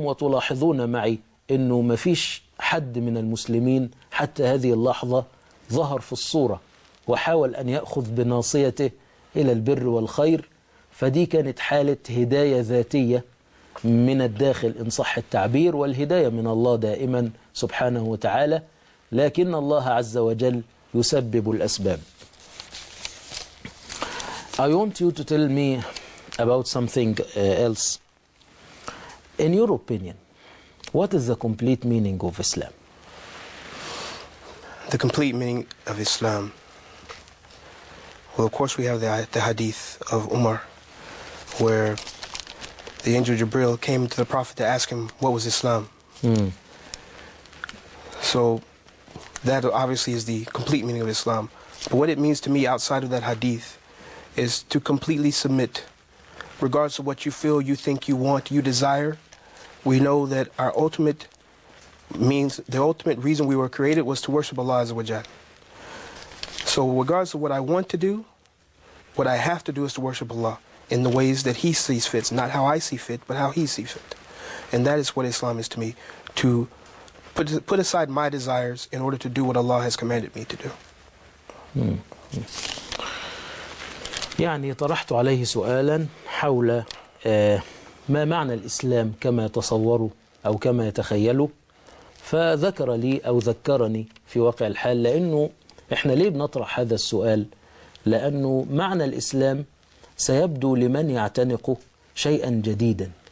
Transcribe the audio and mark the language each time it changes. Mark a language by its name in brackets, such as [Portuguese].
[Arabic] وتلاحظون معي إنه ما فيش حد من المسلمين حتى هذه اللحظة ظهر في الصورة وحاول أن يأخذ بناصيته إلى البر والخير. فدي كانت حالة هداية ذاتية من الداخل إن صح التعبير، والهداية من الله دائما سبحانه وتعالى، لكن الله عز وجل يسبب الأسباب. [English] I want you to tell me about something else. In your opinion, what is the complete meaning of Islam? the complete meaning of Islam. Well, of course, we have the hadith of Umar, where the angel Jibril came to the Prophet to ask him what was Islam. So that obviously is the complete meaning of Islam. But what it means to me outside of that hadith is to completely submit, regardless of what you feel, you think, you want, you desire. We know that our ultimate means, the ultimate reason we were created was to worship Allah Azza wa Jal. So regardless of what I want to do, what I have to do is to worship Allah in the ways that He sees fit, not how I see fit, but how He sees fit. And that is what Islam is to me, to put aside my desires in order to do what Allah has commanded me to do. [Arabic] يعني طرحت عليه سؤالا حول ما معنى الإسلام كما يتصوره أو كما يتخيله، فذكر لي أو ذكرني في واقع الحال. لأنه إحنا ليه بنطرح هذا السؤال؟ لأنه معنى الإسلام سيبدو لمن يعتنقه شيئا جديدا.